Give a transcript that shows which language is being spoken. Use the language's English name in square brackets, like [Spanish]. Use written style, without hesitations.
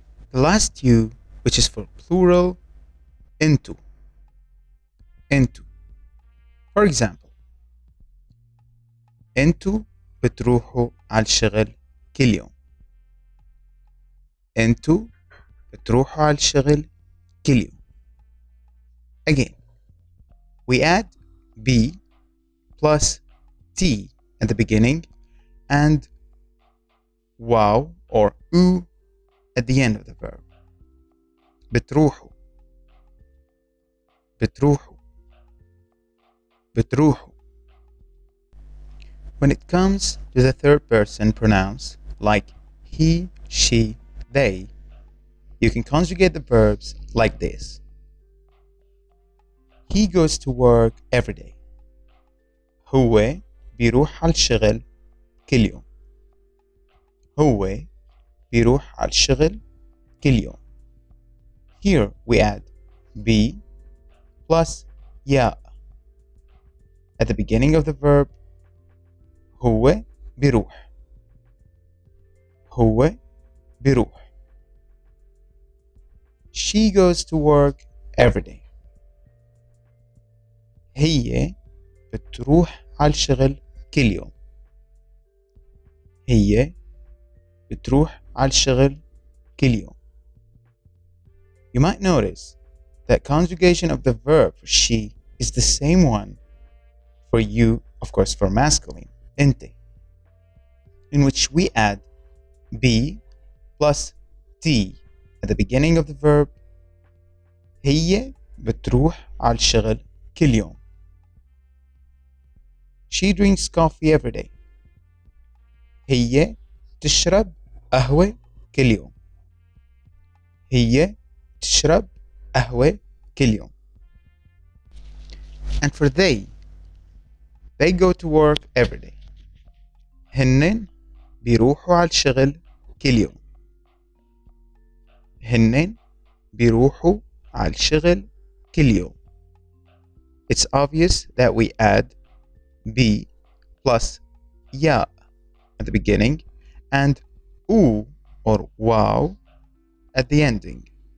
[English] The last you, which is for plural, أنتو. [Arabic] أنتو. [English] For example, [Arabic] أنتو بتروحوا على الشغل كل يوم. أنتو بتروحوا على الشغل كل يوم. [English] Again, we add B plus T at the beginning and واو or أو at the end of the verb. [Arabic] بتروحوا بتروحوا بتروحوا. [English] When it comes to the third person pronouns like he, she, they, you can conjugate the verbs like this. He goes to work every day. [Arabic] هو بيروح على الشغل كل يوم. هو بيروح على الشغل كل يوم. [English] Here we add B plus يا at the beginning of the verb. [Arabic] هو بيروح. هو بيروح. [English] She goes to work every day. [Arabic] هي بتروح على الشغل كل يوم. هي بتروح على الشغل كل يوم. [English] You might notice that conjugation of the verb for she is the same one for you, of course, for masculine, أنت, in which we add B plus T at the beginning of the verb. [Arabic] هي بتروح على الشغل كل يوم. [English] She drinks coffee every day. [Arabic] هي تشرب قهوة كل يوم. هي تشرب قهوة كل يوم. [English] And for they go to work every day. [Arabic] هنن بيروحوا على الشغل كل يوم. هنن بيروحوا على الشغل كل يوم. [English] It's obvious that we add be plus ya at the beginning and oo or wow at the ending.